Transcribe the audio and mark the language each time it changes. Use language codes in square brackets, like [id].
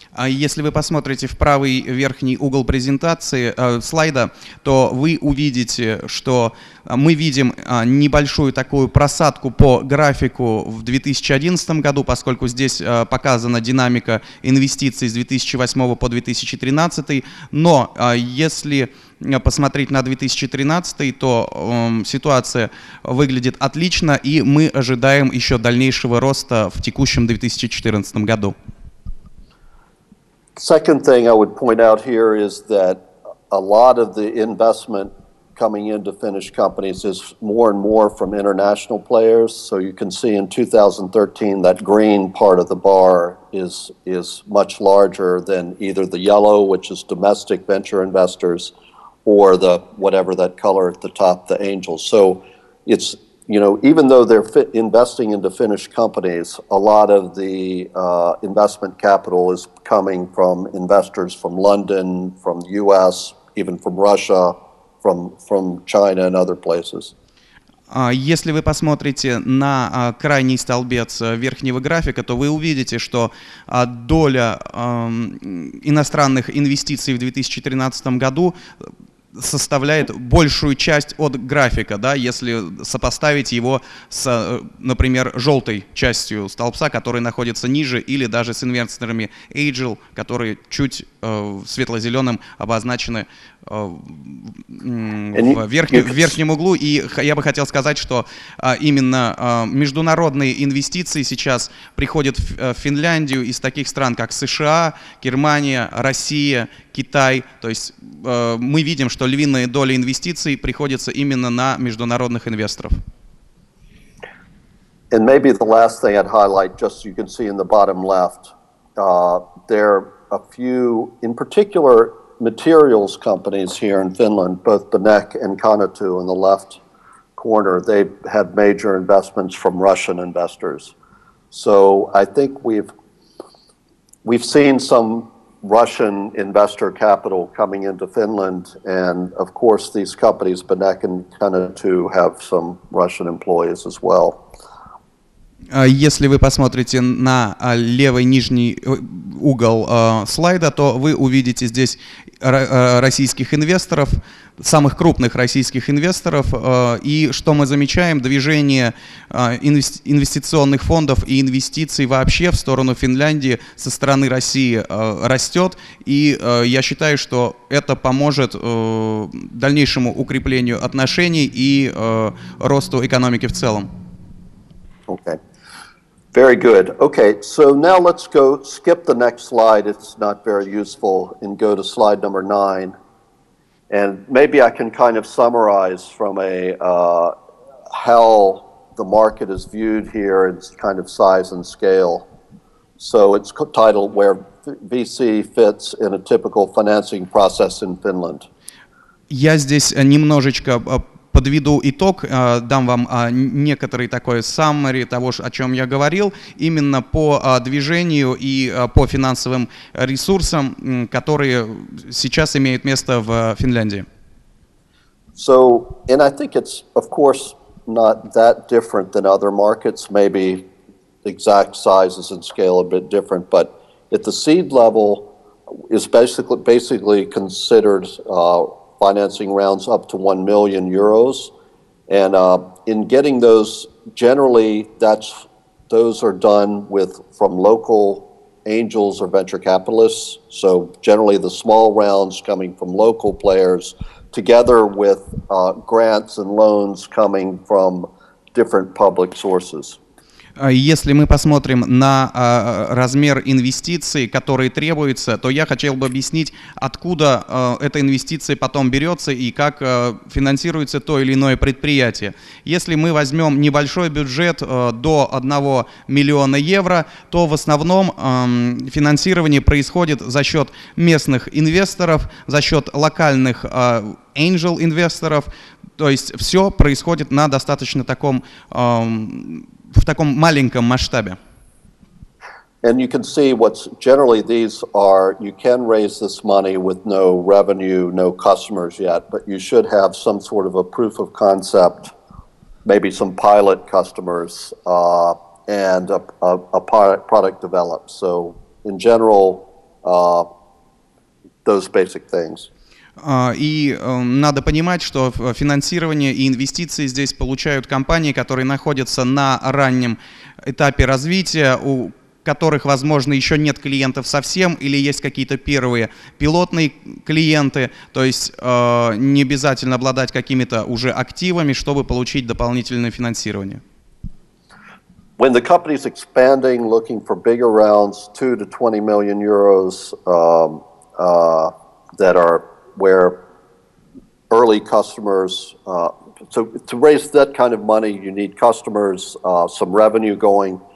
[ru] Если вы посмотрите в правый верхний угол презентации слайда, то вы увидите, что мы видим небольшую такую просадку по графику в 2011 году, поскольку здесь показана динамика инвестиций с 2008 по 2013. Но если посмотреть на 2013, то ситуация выглядит отлично, и мы ожидаем еще дальнейшего роста в текущем 2014 году. [en] Second thing I would point out here is that a lot of the investment coming into Finnish companies is more and more from international players. So you can see in 2013 that green part of the bar is much larger than either the yellow, which is domestic venture investors, or the whatever that color at the top, the angels. So it's, you know, even though they're investing into Finnish companies, a lot of the investment capital is coming from investors from London, from the US, even from Russia, from China and other places. [ru] Если вы посмотрите на крайний столбец верхнего графика, то вы увидите, что доля иностранных инвестиций в 2013 году составляет большую часть от графика, да, если сопоставить его с, например, желтой частью столбца, который находится ниже, или даже с инвесторами Angel, которые чуть светло-зеленым обозначены в верхнем углу. И я бы хотел сказать, что именно международные инвестиции сейчас приходят в Финляндию из таких стран, как США, Германия, Россия, Китай. То есть мы видим, что львиная доля инвестиций приходится именно на международных инвесторов. [en] And maybe the last thing I'd highlight, just you can see in the bottom left, there are a few, in particular, materials companies here in Finland, both Benek and Konnatu in the left corner, they had major investments from Russian investors. So I think we've seen some Russian investor capital coming into Finland, and of course these companies, Benek and Konnatu, have some Russian employees as well. [ru] Если вы посмотрите на левый нижний угол слайда, то вы увидите здесь российских инвесторов, самых крупных российских инвесторов. И что мы замечаем? Движение инвестиционных фондов и инвестиций вообще в сторону Финляндии со стороны России растет. И я считаю, что это поможет дальнейшему укреплению отношений и росту экономики в целом. [en] Okay. Very good. Okay, so now let's go skip the next slide. It's not very useful, and go to slide number 9. And maybe I can kind of summarize from a how the market is viewed here in kind of size and scale. So it's titled Where VC Fits in a Typical Financing Process in Finland. [ru] Я здесь немножечко подведу итог, дам вам некоторый такой summary того, о чем я говорил, именно по движению и по финансовым ресурсам, которые сейчас имеют место в Финляндии. [en] So, and I think it's, of course, not that different than other markets. Maybe exact sizes and scale a bit different, but at the seed level is basically considered financing rounds up to 1 million euros. And in getting those, generally, those are done from local angels or venture capitalists. So generally the small rounds coming from local players, together with grants and loans coming from different public sources. [ru] Если мы посмотрим на размер инвестиций, которые требуются, то я хотел бы объяснить, откуда эта инвестиция потом берется и как финансируется то или иное предприятие. Если мы возьмем небольшой бюджет до 1 миллиона евро, то в основном финансирование происходит за счет местных инвесторов, за счет локальных angel-инвесторов, то есть все происходит на достаточно таком в таком маленьком масштабе. [en] And you can see what's generally these are, you can raise this money with no revenue, no customers yet, but you should have some sort of a proof of concept, maybe some pilot customers, and a product developed. So in general, those basic things. [ru] И надо понимать, что финансирование и инвестиции здесь получают компании, которые находятся на раннем этапе развития, у которых, возможно, еще нет клиентов совсем, или есть какие-то первые пилотные клиенты, то есть не обязательно обладать какими-то уже активами, чтобы получить дополнительное финансирование. [en] When the company's expanding, looking for bigger rounds, 2 to 20 million euros that are where early customers, to raise that kind of money, you need customers, some revenue going.